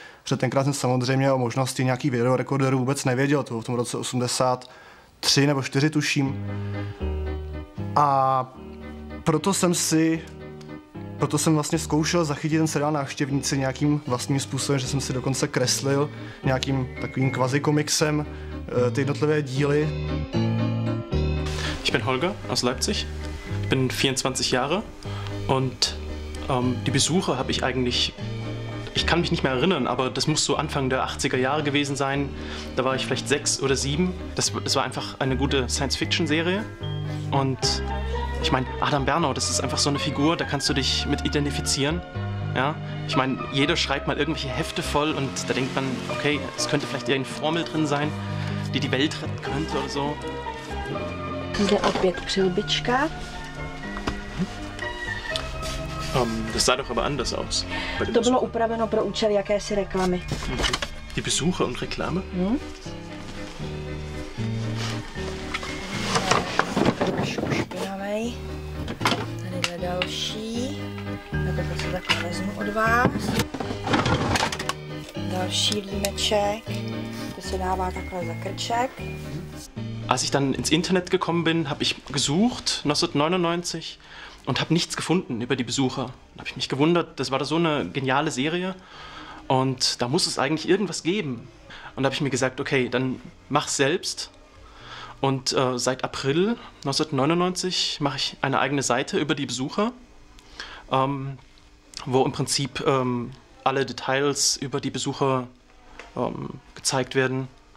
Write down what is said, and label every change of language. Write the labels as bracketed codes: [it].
[cs] Protože tenkrát jsem samozřejmě o možnosti nějaký videorekorderu vůbec nevěděl, to bylo v tom roce 83 nebo 84 tuším. A proto jsem vlastně zkoušel zachytit ten seriál Návštěvníci nějakým vlastním způsobem, že jsem si dokonce kreslil nějakým takovým kvazikomixem ty jednotlivé díly. [de] Ich bin Holger aus Leipzig. Ich bin 24 Jahre und die Besuche habe ich eigentlich, ich kann mich nicht mehr erinnern, aber das muss so Anfang der 80er Jahre gewesen sein. Da war ich vielleicht 6 oder 7. Das war einfach eine gute Science-Fiction-Serie und ich meine, Adam Bernau, das ist einfach so eine Figur, da kannst du dich mit identifizieren. Ja? Ich meine, jeder schreibt mal irgendwelche Hefte voll und da denkt man, okay, es könnte vielleicht irgendeine Formel drin sein, die die Welt retten könnte oder so. Der Objekt Prilbička. Das sah doch aber anders aus. [cs] To bylo upraveno pro účel jakési reklamy. [de] Die Besuche und Reklame? Hm? [cs] Tady je další, tak to prostě takhle vezmu od vás. další límeček. To se dává takhle za krček. [de] Als ich dann ins Internet gekommen bin, habe ich gesucht 1999 und habe nichts gefunden über die Besucher. Da habe ich mich gewundert, das war da so eine geniale Serie und da muss es eigentlich irgendwas geben. Und da habe ich mir gesagt, okay, dann mach's selbst. Und seit April 1999 mache ich eine eigene Seite über die Besucher, wo im Prinzip alle Details über die Besucher gezeigt werden.